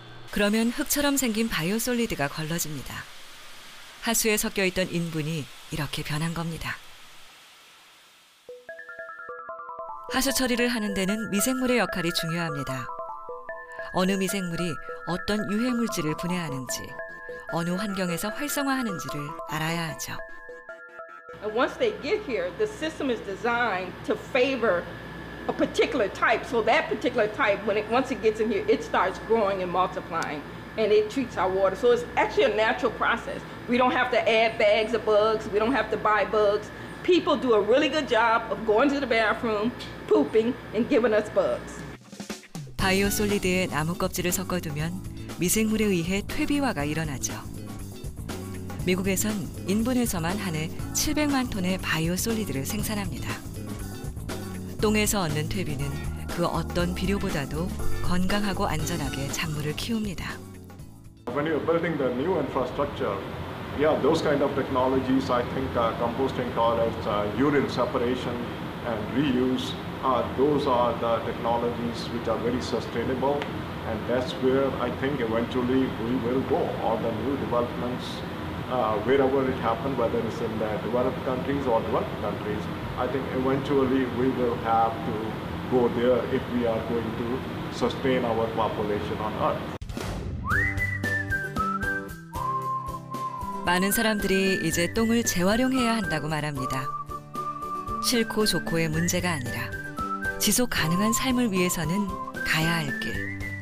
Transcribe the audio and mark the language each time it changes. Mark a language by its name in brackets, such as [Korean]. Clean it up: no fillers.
[Korean] 그러면 흙처럼 생긴 바이오솔리드가 걸러집니다. 하수에 섞여있던 인분이 이렇게 변한 겁니다. 하수 처리를 하는 데는 미생물의 역할이 중요합니다. 어느 미생물이 어떤 유해물질을 분해하는지, 어느 환경에서 활성화하는지를 알아야 하죠. [English] Once they get here, the system is designed to favor a particular type. So that particular type, when it once it gets in here, it starts growing and multiplying, and it treats our water. So it's actually a natural process. We don't have to add bags of bugs. We don't have to buy bugs. People do a really good job of going to the bathroom, pooping, and giving us bugs. [Korean] 바이오 솔리드에 나무 껍질을 섞어두면 미생물에 의해 퇴비화가 일어나죠. 미국에선 인분에서만 한 해 700만 톤의 바이오 솔리드를 생산합니다. 똥에서 얻는 퇴비는 그 어떤 비료보다도 건강하고 안전하게 작물을 키웁니다. [English] When you're building the new infrastructure, yeah, those kind of technologies, I think composting toilets, urine separation and reuse, those are the technologies which are very sustainable, and that's where I think eventually we will go. All the new developments, wherever it happens, whether it's in the developed countries or developing countries, I think eventually we will have to go there if we are going to sustain our population on Earth. [Korean] 많은 사람들이 이제 똥을 재활용해야 한다고 말합니다. 싫고 좋고의 문제가 아니라 지속 가능한 삶을 위해서는 가야 할 길.